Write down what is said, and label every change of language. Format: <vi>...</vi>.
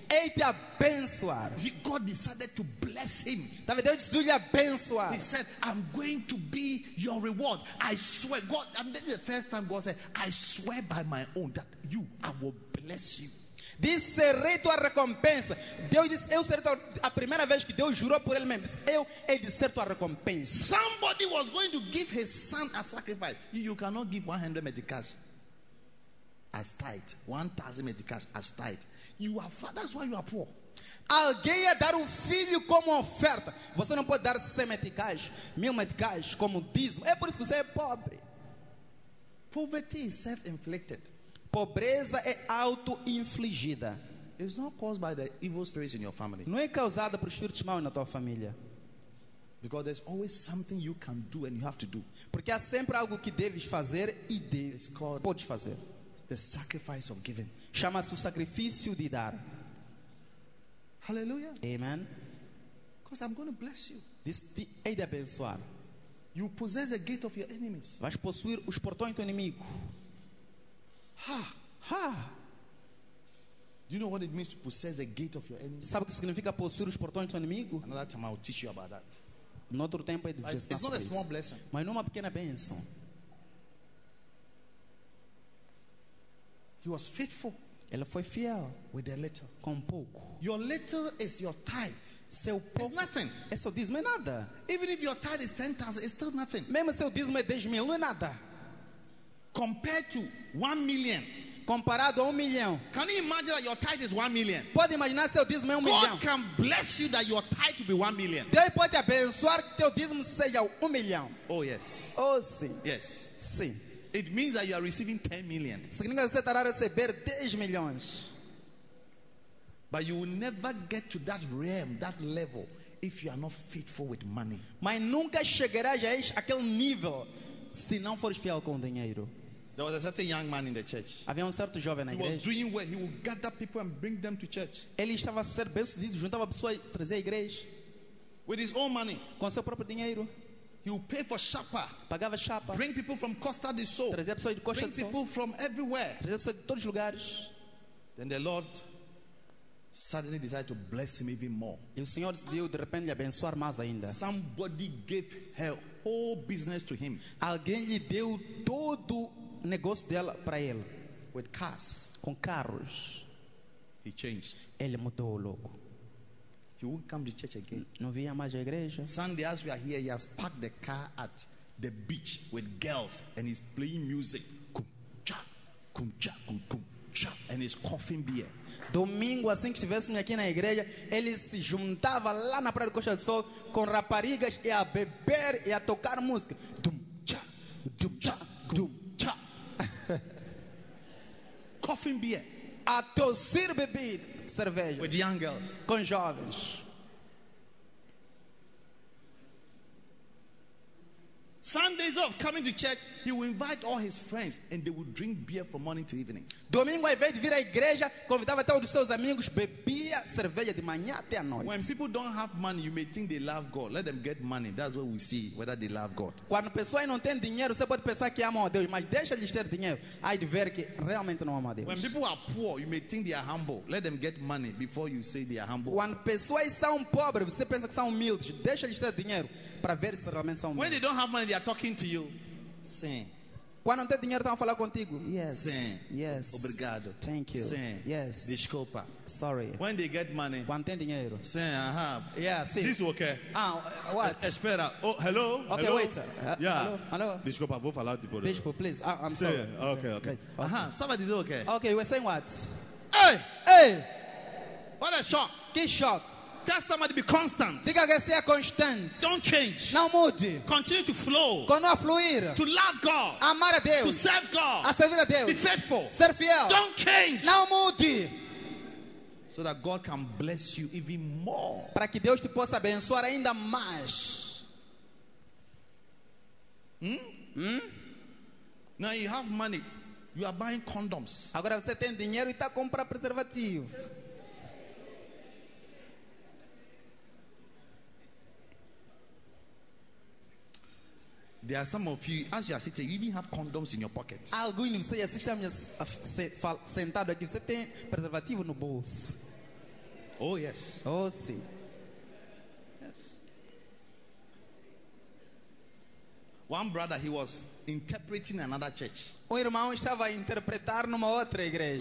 <pt>Hei de abençoar.</pt> <en>God decided to bless him.</en> <pt>Deus disse, lhe abençoar.</pt> <en>He said, I'm going to be your reward. I swear. God, I mean, the first time God said, I swear by my own that you, I will bless you.</en> <pt>Disse, serei tua recompensa. Deus disse, eu serei tua. A primeira vez que Deus jurou por ele mesmo, disse, eu hei de ser tua recompensa.</pt> <en>Somebody was going to give his son a sacrifice. You cannot give 100 medicals as tight. 1,000 medicals as tight. You are fat, that's why you are poor.</en> <pt>Alguém ia dar um filho como oferta. Você não pode dar 100 medicals, 1,000 medicals como dízimo. É por isso que você é pobre.</pt> <en>Poverty is self-inflicted.</en> <pt>Pobreza é auto-infligida.</pt> <en>It's not caused by the evil spirits in your family.</en> <pt>Não é causada por espíritos maus na tua família.</pt> <en>Because there's always something you can do and you have to do.</en> <pt>Porque há sempre algo que deves fazer e deves podes fazer.</pt> <en>The sacrifice of giving.</en> <pt>Chama-se o sacrifício de dar.</pt> <en>Hallelujah. Amen. Because I'm going to bless you.</en> <pt>Diz, hei de abençoar.</pt> <en>You possess the gate of your enemies.</en> <pt>Vais possuir os portões do inimigo. Ha! Ha!</pt> <en>Do you know what it means to possess the gate of your enemy?</en> <pt>Sabe o que significa possuir os portões do inimigo?</pt> <en>Another time I'll teach you about that.</en> <pt>No outro tempo é de</pt> <en>vocês. It's not a small blessing.</en> <pt>Mas não uma pequena bênção.</pt> <en>He was faithful.</en> <pt>Ele foi fiel.</pt> <en>With a little.</en> <pt>Com pouco.</pt> <en>Your little is your tithe.</en> <pt>Seu pouco.</pt> <en>It's nothing.</en> <pt>É seu dízimo, é nada.</pt> <en>Even if your tithe is 10,000, it's still nothing.</en> <pt>Mesmo seu dízimo é 10 mil, não é nada.</pt> <en>Compared to 1,000,000.</en> <pt>Comparado a 1,000,000.</pt> <en>Can you imagine that your tithe is 1,000,000?</en> <pt>Pode imaginar seu dízimo é 1,000,000.</pt> <en>God can bless you that your tithe will be 1,000,000.</en> <pt>Deus pode abençoar que teu dízimo seja 1,000,000.</pt> <en>Oh yes.</en> <pt>Oh sim.</pt> <en>Yes.</en> <pt>Sim.</pt> <en>It means that you are receiving 10 million.</en> <pt>Significa que você estará a receber 10 milhões.</pt> <en>But you will never get to that realm, that level, if you are not faithful with money.</en> <pt>Mas nunca chegarás a aquele nível Se não fores fiel com o dinheiro.</pt> <en>There was a certain young man in the church.</en> <pt>Havia certo jovem na igreja.</pt> <en>He was doing well. He would gather people and bring them to church.</en> <pt>Ele estava ser bem sucedido, juntava pessoas, trazia à igreja.</pt> <en>With his own money.</en> <pt>Com seu próprio dinheiro.</pt> <en>He would pay for chapa.</en> <pt>Pagava chapa.</pt> <en>Bring people from Costa do Sul.</en> <pt>Trazia pessoas de Costa do Sul.</pt> <en>Bring people from everywhere.</en> <pt>Trazia pessoas de todos os lugares.</pt> <en>Then the Lord suddenly decided to bless him even more.</en> <pt>E o Senhor decidiu de repente lhe abençoar mais ainda.</pt> <en>Somebody gave her whole business to him.</en> <pt>Alguém lhe deu todo negócio dela para ele.</pt> <en>With cars.</en> <pt>Com carros.</pt> <en>He changed.</en> <pt>Ele mudou logo.</pt> <en>He won't come to church again.</en> <pt>Não vinha mais à igreja.</pt> <en>Sunday as we are here, he has parked the car at the beach with girls and he's playing music. Kum cha, kum cha, kum kum cha, and he's coughing beer.</en> <pt>Domingo, assim que estivéssemos aqui na igreja, ele se juntava lá na Praia do Costa do Sol com raparigas e a beber e a tocar música. Dum cha, dum cha, dum.</pt> <en>Coughing beer.</en> <pt>A tossir bebida, cerveja.</pt> <en>With young girls.</en> <pt>Com jovens.</pt> <en>Sundays off, coming to church, he will invite all his friends and they will drink beer from morning to evening.</en> <pt>Domingo, ao invés de vir à igreja, convidava todos os seus amigos, bebia cerveja de manhã até à noite.</pt> <en>When people don't have money, you may think they love God. Let them get money. That's what we see, whether they love God.</en> <pt>Quando pessoas não têm dinheiro, você pode pensar que amam a Deus, mas deixa-lhes ter dinheiro. Aí de ver que realmente não amam a Deus.</pt> <en>When people are poor, you may think they are humble. Let them get money before you say they are humble.</en> <pt>Quando pessoas são pobres, você pensa que são humildes. Deixa-lhes ter dinheiro para ver se realmente são humildes.</pt> <en>When they don't have money, they are talking to you.</en> <pt>Sim. Quando não tem dinheiro, estão a falar contigo.</pt> <en>Yes.</en> <pt>Sim.</pt> <en>Yes.</en> <pt>Obrigado.</pt> <en>Thank you.</en> <pt>Sim.</pt> <en>Yes.</en> <pt>Desculpa.</pt> <en>Sorry. When they get money.</en> <pt>Quando tem dinheiro.</pt> <en>Sim, I have. Yeah, sim. This is okay. Ah, what?</en> <pt>Espera.</pt> <en>Oh, hello? Okay, hello? Wait. Yeah. Hello? Hello?</en> <pt>Desculpa, vou falar de poder.</pt> <en>Bishop, please. I'm sorry. Sim. Okay, okay. Okay. Somebody is okay. Okay, you were saying what? Hey! Hey! What a shock.</en> <pt>Que shock.</pt> <en>Tell somebody to be constant.</en> <pt>Diga que seja constante.</pt> <en>Don't change.</en> <pt>Não mude.</pt> <en>Continue to flow.</en> <pt>Continue a fluir.</pt> <en>To love God.</en> <pt>Amar a Deus.</pt> <en>To serve God.</en> <pt>A servir a Deus.</pt> <en>Be faithful.</en> <pt>Ser fiel.</pt> <en>Don't change.</en> <pt>Não mude.</pt> <en>So that God can bless you even more.</en> <pt>Para que Deus te possa abençoar ainda mais.</pt> <en>Now you have money. You are buying condoms.</en> <pt>Agora você tem dinheiro e está comprando preservativo.</pt> <en>There are some of you, as you are sitting, you even have condoms in your pocket.</en> <pt>Alguém você já está sentado aqui, você tem preservativo no bolso?</pt> <en>Oh yes.</en> <pt>Oh sim.</pt> <en>Yes. One brother, he was interpreting another church.</en> <pt>Um irmão estava a interpretar numa outra igreja.</pt>